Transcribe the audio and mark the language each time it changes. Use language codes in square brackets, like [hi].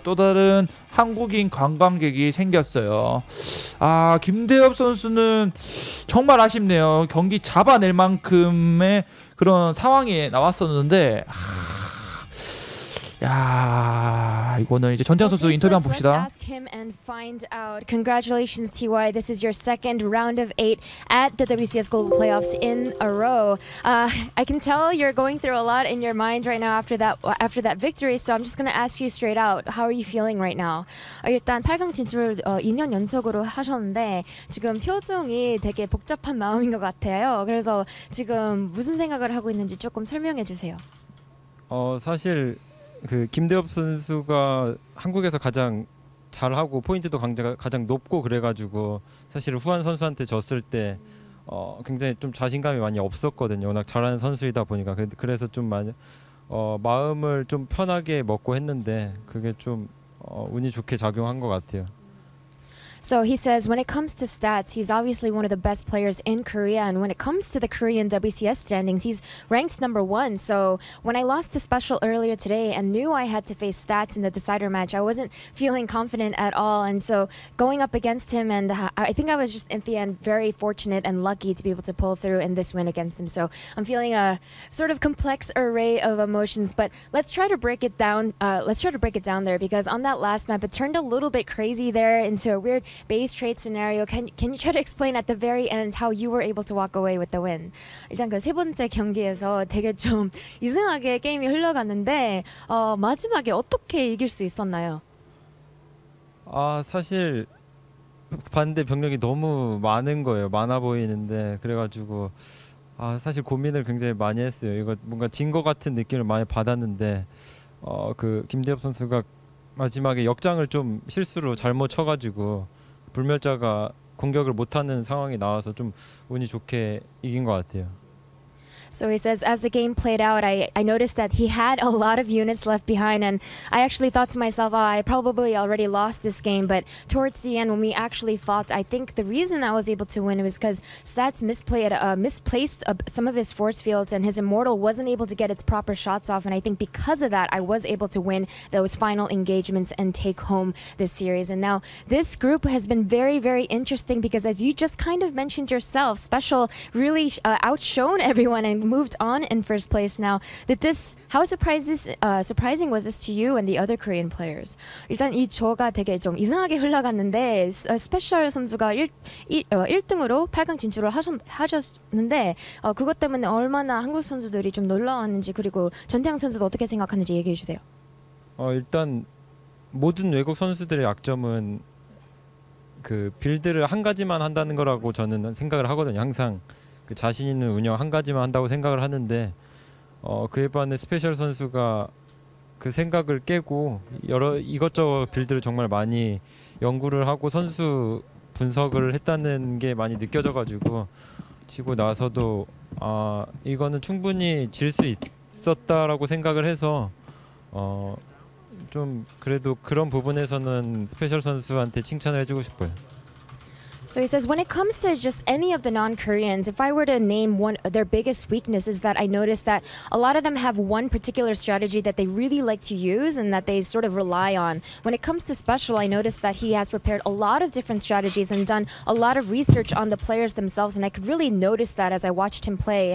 [ko] 또 다른 한국인 관광객이 생겼어요. 아, 김대엽 선수는 정말 아쉽네요. 경기 잡아낼 만큼의 그런 상황이 나왔었는데. 야, 이거는 이제 전태영 선수 인터뷰 한번 봅시다. [en] Let's ask him and find out. Congratulations, TY. This is your second round of eight at the WCS Global Playoffs in a row. I can tell you're going through a lot in your mind right now after that victory. So I'm just gonna ask you straight out. How are you feeling right now? [ko] 일단 8강 진출을 2년 연속으로 하셨는데 지금 표정이 되게 복잡한 마음인 것 같아요. 그래서 지금 무슨 생각을 하고 있는지 조금 설명해 주세요. 사실 그 김대엽 선수가 한국에서 가장 잘하고 포인트도 가장 높고 그래가지고 사실 후한 선수한테 졌을 때 굉장히 좀 자신감이 많이 없었거든요. 워낙 잘하는 선수이다 보니까. 그래서 좀 많이 마음을 좀 편하게 먹고 했는데 그게 좀 운이 좋게 작용한 것 같아요. [en] So he says when it comes to stats, he's obviously one of the best players in Korea. And when it comes to the Korean WCS standings, he's ranked number one. So when I lost the special earlier today and knew I had to face stats in the decider match, I wasn't feeling confident at all. And so going up against him, and I think I was just in the end very fortunate and lucky to be able to pull through in this win against him. So I'm feeling a sort of complex array of emotions. But let's try to break it down. There because on that last map, it turned a little bit crazy there into a weird base trade scenario. Can you try to explain at the very end how you were able to walk away with the win? [ko] 일단 그 세 번째 경기에서 되게 좀 이상하게 게임이 흘러갔는데 마지막에 어떻게 이길 수 있었나요? 아, 사실 반대 병력이 너무 많은 거예요. 많아 보이는데 그래가지고 사실 고민을 굉장히 많이 했어요. 이거 뭔가 진 것 같은 느낌을 많이 받았는데 그 김대엽 선수가 마지막에 역장을 좀 실수로 잘못 쳐가지고 불멸자가 공격을 못하는 상황이 나와서 좀 운이 좋게 이긴 것 같아요. [en] So he says, as the game played out, I noticed that he had a lot of units left behind, and I actually thought to myself, oh, I probably already lost this game. But towards the end, when we actually fought, I think the reason I was able to win was because Stats misplaced some of his force fields, and his Immortal wasn't able to get its proper shots off. And I think because of that, I was able to win those final engagements and take home this series. And now this group has been very, very interesting because, as you just kind of mentioned yourself, Special really outshone everyone moved on in first place. Now that this, how surprising was this to you and the other Korean players? [ko] 일단 이 조가 되게 좀 이상하게 흘러갔는데 스페셜 선수가 1등으로 8강 진출을 하셨는데 그것 때문에 얼마나 한국 선수들이 좀 놀라웠는지 그리고 전태양 선수도 어떻게 생각하는지 얘기해 주세요. 일단 모든 외국 선수들의 약점은 그 빌드를 한 가지만 한다는 거라고 저는 생각을 하거든요. 항상 그 자신 있는 운영 한 가지만 한다고 생각을 하는데 그에 반해 스페셜 선수가 그 생각을 깨고 여러 이것저것 빌드를 정말 많이 연구를 하고 선수 분석을 했다는 게 많이 느껴져가지고 지고 나서도 이거는 충분히 질 수 있었다라고 생각을 해서 좀 그래도 그런 부분에서는 스페셜 선수한테 칭찬을 해주고 싶어요. [en] So he says, when it comes to just any of the non-Koreans, if I were to name one of their biggest weaknesses, that I noticed that a lot of them have one particular strategy that they really like to use and that they sort of rely on. When it comes to Special, I noticed that he has prepared a lot of different strategies and done a lot of research on the players themselves, and I could really notice that as I watched him play.